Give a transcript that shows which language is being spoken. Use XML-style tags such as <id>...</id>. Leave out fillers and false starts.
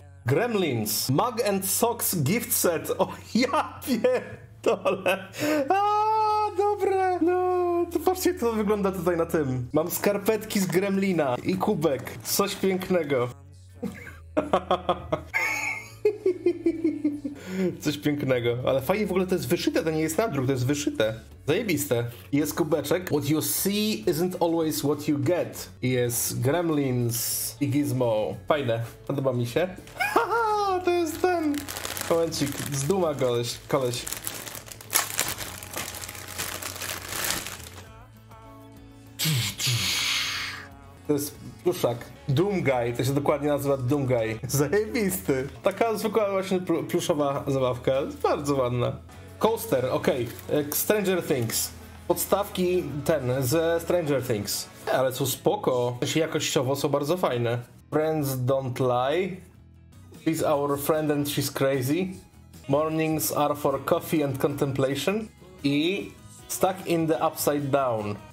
<en>Gremlins. Mug and Socks Gift Set.</en> <pl>O, ja pierdolę. Dobre. No, to patrzcie, co to wygląda tutaj na tym. Mam skarpetki z Gremlina i kubek. Coś pięknego. Coś pięknego. Ale fajnie w ogóle to jest wyszyte, to nie jest nadruk, to jest wyszyte. Zajebiste. Jest kubeczek.</pl> <en>What you see isn't always what you get.</en> <pl>Jest Gremlins i Gizmo. Fajne, podoba mi się. Haha, to jest ten. Momencik, z duma koleś. To jest pluszak. Doomguy, to się dokładnie nazywa Doomguy. Zajebisty. Taka zwykła właśnie pluszowa zabawka. Bardzo ładna. Coaster, okej. Okay. Stranger Things. Podstawki ten, ze Stranger Things. Ale są spoko. Jakościowo są bardzo fajne.</pl> <en>Friends don't lie. She's our friend and she's crazy. Mornings are for coffee and contemplation. I Stuck in the Upside Down.</en>